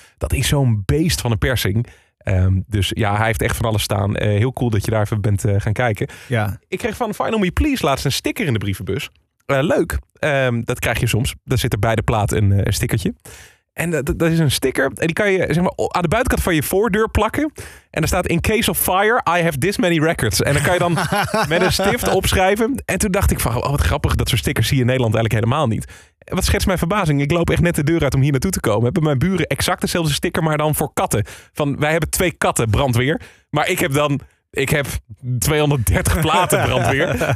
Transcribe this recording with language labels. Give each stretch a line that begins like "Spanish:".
Dutch: Dat is zo'n beest van een persing. Dus ja, hij heeft echt van alles staan. Heel cool dat je daar even bent gaan kijken. Ja. Ik kreeg van Final Me Please laatst een sticker in de brievenbus. Leuk. Dat krijg je soms. Daar zit er bij de plaat een stickertje. En dat is een sticker. En die kan je zeg maar, aan de buitenkant van je voordeur plakken. En daar staat
English: in case of fire, I have this many records.
Dutch: En dan kan je dan met een stift opschrijven. En toen dacht ik van, oh, wat grappig. Dat soort stickers zie je in Nederland eigenlijk helemaal niet. Wat schetst mijn verbazing. Ik loop echt net de deur uit om hier naartoe te komen. Hebben mijn buren exact dezelfde sticker, maar dan voor katten. Van, wij hebben 2 katten, brandweer. Maar ik heb dan... Ik heb 230 platen brandweer.